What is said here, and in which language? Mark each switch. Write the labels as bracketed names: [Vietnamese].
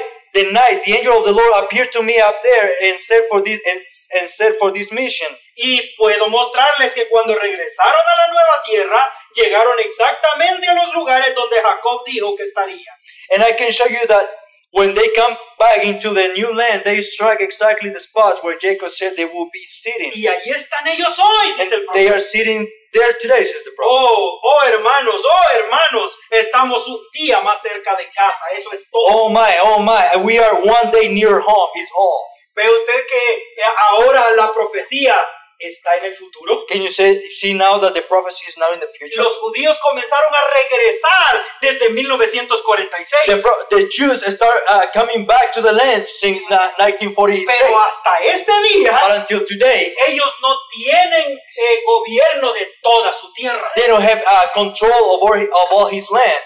[English] The night the angel of the Lord appeared to me up there and said for this mission. [Spanish] Y puedo mostrarles que cuando regresaron a la nueva tierra, llegaron exactamente a los lugares donde Jacob dijo que estaría. [English] And I can show you that when they come back into the new land, they strike exactly the spots where Jacob said they would be sitting. [Spanish] Y ahí están ellos hoy, dice el profeta. [English] They are sitting there today, says the prophet. [Spanish] Oh, hermanos, estamos un día más cerca de casa, eso es todo. [English] Oh my, we are one day near home, is all. [Spanish] ¿Ve usted que ahora la profecía está en el futuro? [English] Can you see now that the prophecy is now in the future? [Spanish] Los judíos comenzaron a regresar desde 1946. [English] The Jews start coming back to the land since 1946. [Spanish] Pero hasta este día, [English] but until today, [Spanish] ellos no tienen gobierno de toda su tierra. [English] They don't have control of all his land.